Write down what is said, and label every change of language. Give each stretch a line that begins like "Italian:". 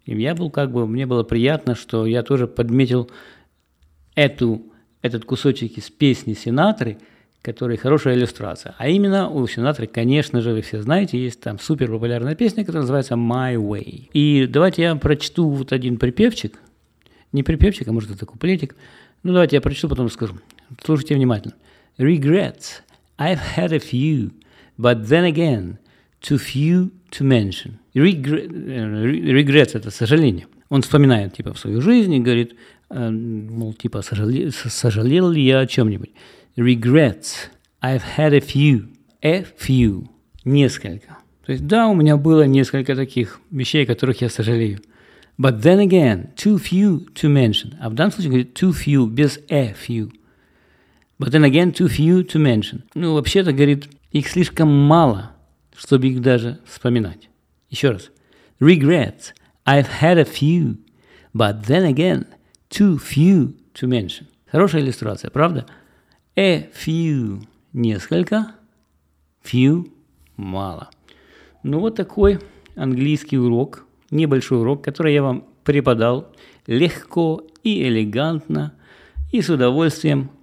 Russian: И я был как бы, мне было приятно, что я тоже подметил этот кусочек из песни Синатры, который хорошая иллюстрация. А именно у Синатры, конечно же, вы все знаете, есть там супер популярная песня, которая называется «My Way». И давайте я прочту вот один припевчик. Не припевчик, а может это куплетик. Ну, давайте я прочту, потом скажу. Слушайте внимательно.
English: «Regrets, I've had a few, but then again, too few to mention».
Russian: «Regrets» – это сожаление. Он вспоминает типа в свою жизнь и говорит, мол, типа, сожалел ли я о чем-нибудь.
English: Regrets. I've had a few. A few. Несколько.
Russian: То есть, да, у меня было несколько таких вещей, о которых я сожалею.
English: But then again, too few to mention.
Russian: А в данном случае, говорит,
English: too few,
Russian: без
English: a few. But then again, too few to mention.
Russian: Ну, вообще-то, говорит, их слишком мало, чтобы их даже вспоминать. Еще раз. Regrets.
English: I've had a few, but then again, too few to mention.
Russian: Хорошая иллюстрация, правда?
English: A few
Russian: – несколько, few – мало. Ну, вот такой английский урок. небольшой урок, который я вам преподал легко и элегантно, и с удовольствием.